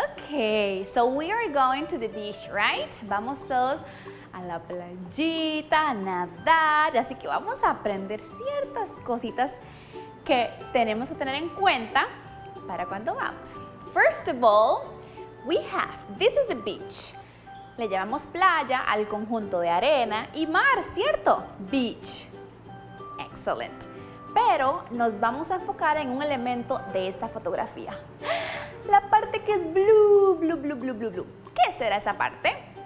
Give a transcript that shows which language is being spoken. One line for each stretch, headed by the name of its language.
English: Okay, so we are going to the beach, right?
Spanish: Vamos todos a la playita, a nadar. Así que vamos a aprender ciertas cositas que tenemos que tener en cuenta para cuando vamos.
English: First of all, we have, this is the beach.
Spanish: Le llamamos playa al conjunto de arena y mar, ¿cierto? Beach. Excellent. Pero nos vamos a enfocar en un elemento de esta fotografía. La parte que es blue, blue, blue, blue, blue, blue. ¿Qué será esa parte?